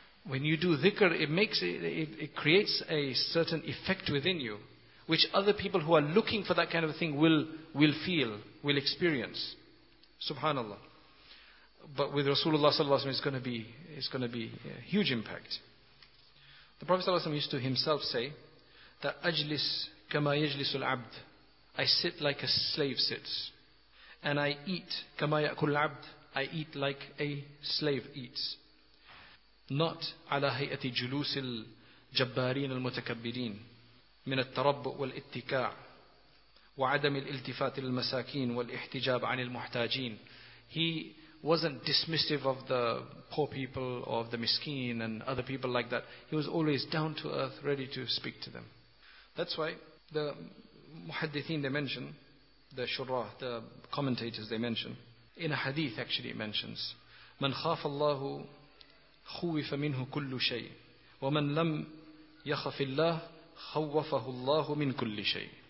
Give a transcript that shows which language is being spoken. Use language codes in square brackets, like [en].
[en] When you do dhikr, it creates a certain effect within you, which other people who are looking for that kind of thing will feel, will experience. Subhanallah. But with Rasulullah sallallahu alaihi wasallam, it's going to be a huge impact. The Prophet sallallahu alaihi wasallam used to himself say that [ar] ajlis kama yajlisul abd, [en] I sit like a slave sits. and I eat [ar] كما يأكل العبد, [en] I eat like a slave eats, not [ar] على هيئة جلوس الجبارين المتكبرين من التربؤ والاتكاع وعدم الالتفات للمساكين والاحتجاب عن المحتاجين. [en] He wasn't dismissive of the poor people or of the miskeen and other people like that. He was always down to earth, ready to speak to them. That's why the muhaddithin, they mention, the shurah, the commentators, they mention, in a hadith actually it mentions, [ar] من خاف الله خوف منه كل شيء ومن لم يخف الله خوفه الله من كل شيء.